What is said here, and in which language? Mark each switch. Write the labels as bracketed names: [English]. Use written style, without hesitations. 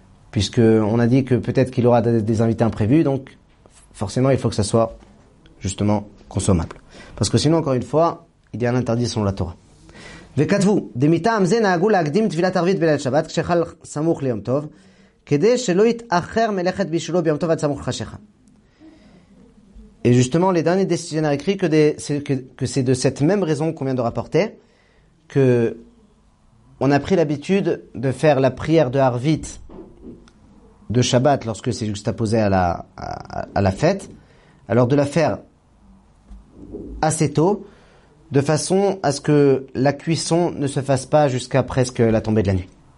[French] Puisqu'on a dit que peut-être qu'il aura des invités imprévus, donc forcément, il faut que ça soit justement consommable. Parce que sinon, encore une fois, il y a un interdit selon la Torah. [Hebrew] וכתבו, דמיטעם זה נהגו להקדים תפילת ערבית בליל שבת, כשחל סמוך ליום טוב, כדי שלא יתאחר מלאכת בישולו ביום טוב עד סמוך לחשיכה. [French] Et justement, les derniers décisionnaires écrit que c'est de cette même raison qu'on vient de rapporter, que on a pris l'habitude de faire la prière de Arvit de Shabbat lorsque c'est juxtaposé à la fête, alors de la faire assez tôt, de façon à ce que la cuisson ne se fasse pas jusqu'à presque la tombée de la nuit.